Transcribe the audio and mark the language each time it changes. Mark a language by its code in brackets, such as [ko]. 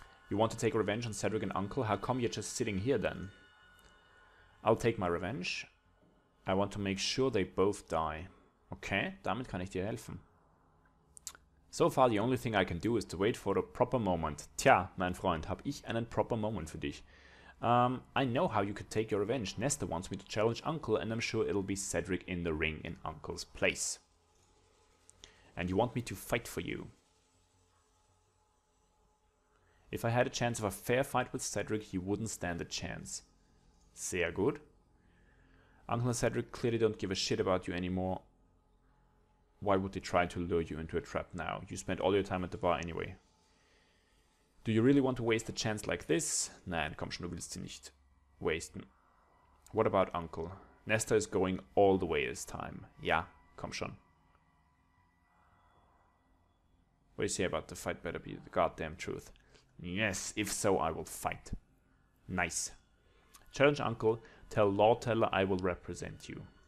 [en] You want to take revenge on Cedric and Uncle? How come you're just sitting here then? I'll take my revenge. I want to make sure they both die. [de] Okay, damit kann ich dir helfen. [en] So far, the only thing I can do is to wait for the proper moment. [de] Tja, mein Freund, hab ich einen [en] proper moment [de] für dich. [en] I know how you could take your revenge. Nestor wants me to challenge Uncle, and I'm sure it'll be Cedric in the ring in Uncle's place. And you want me to fight for you. If I had a chance of a fair fight with Cedric, he wouldn't stand a chance. [de] Sehr gut. [en] Uncle and Cedric clearly don't give a shit about you anymore. Why would they try to lure you into a trap now? You spent all your time at the bar anyway. Do you really want to waste a chance like this? [de] Nein, komm schon, du willst sie nicht wasten. [en] What about Uncle? Nestor is going all the way this time. [de] Ja, komm schon. [en] What do you say about the fight better be the goddamn truth? Yes, if so, I will fight. Nice. Challenge Uncle, tell Law Teller I will represent you.